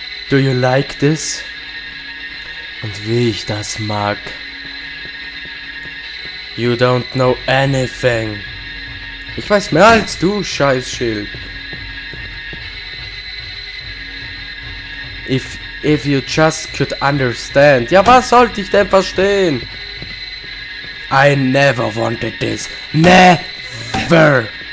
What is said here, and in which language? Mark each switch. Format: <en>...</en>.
<en>Do you like this?</en> <de>Und wie ich das mag.</de> <en>You don't know anything.</en> <de>Ich weiß mehr als du, Scheißschild.</de> <en>If you just could understand.</en> <de>Ja, was sollte ich denn verstehen?</de> <en>I never wanted this. Never.</en>